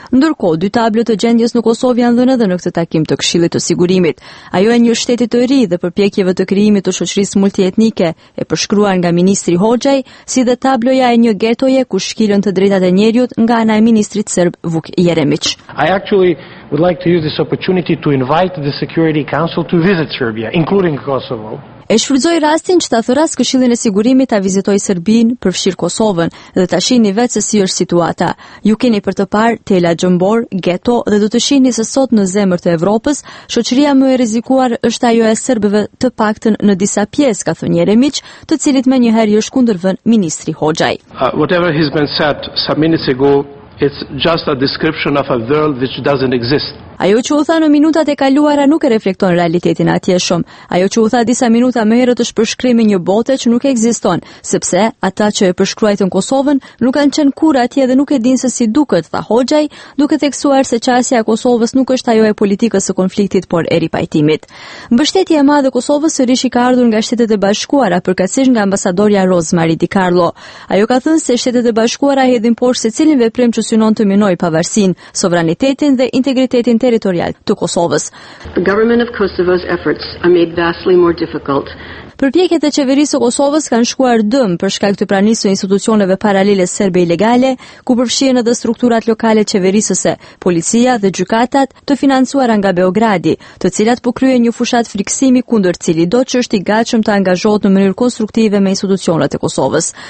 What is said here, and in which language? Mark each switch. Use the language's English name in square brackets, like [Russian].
[Albanian] Ndërkohë, dy tablo të gjendjes në Kosovë janë dhënë edhe në këtë takim të Këshillit të Sigurimit. Ajo e një shteti të ri dhe përpjekjeve të krijimit të shoqërisë multietnike e përshkruar nga ministri Hoxhaj, si dhe tabloja e një getoje ku shkilën të drejtat e njerëzit nga ana e ministrit serb Vuk Jeremić. [English] I actually would like to use this opportunity to invite the Security Council to visit Serbia, including Kosovo. [Albanian] E shfrytëzoi rastin që ta thuras Këshillin e Sigurimit ta vizitoj Serbinë, përfshir Kosovën, dhe ta shihni vetë se si është situata. Ju keni për të parë tela xhombor, geto dhe do të shihni se sot në zemër të Evropës, shoqëria më e rrezikuar është ajo e serbëve, të paktën në disa pjesë, ka thënë Jeremić, të cilit menjëherë i është kundërvën ministri Hoxhaj. [English] Whatever has been said some minutes ago, it's just a description of a world which doesn't exist. [Albanian] Ajo që u tha në minutat e kaluara nuk e reflekton realitetin atjeshëm. Ajo që u tha disa minuta më herët është përshkrimi një bote që nuk ekziston, sepse ata që e përshkruajtën Kosovën nuk kanë qenë kurrë atje dhe nuk e dinë se si duket, tha Hoxhaj, duke theksuar se çësia e Kosovës nuk është ajo e politikës së konfliktit, por e ripajtimit. Mbështetja e madhe e Kosovës sërish i ka ardhur nga Shtetet e Bashkuara, përkatësisht nga ambasadorja Rosemary Di Carlo. Ajo ka thënë se Shtetet e Bashkuara hedhin poshtë secilin veprim që synon të minojë pavarësinë, sovranitetin dhe integritetin territorial të Kosovës. [English] The government of Kosovo's efforts are made vastly more difficult. [Albanian] Përpjekjet e qeverisë së Kosovës kanë shkuar dëm për shkak të pranisë së institucioneve paralele serbe ilegale, ku përfshihen edhe strukturat lokale qeverisëse, policia dhe gjykatat, të financuara nga Beogradi, të cilat po kryejnë një fushat friksimi kundër cilidot që është i gatshëm të angazhohet në mënyrë konstruktive me institucionet e Kosovës.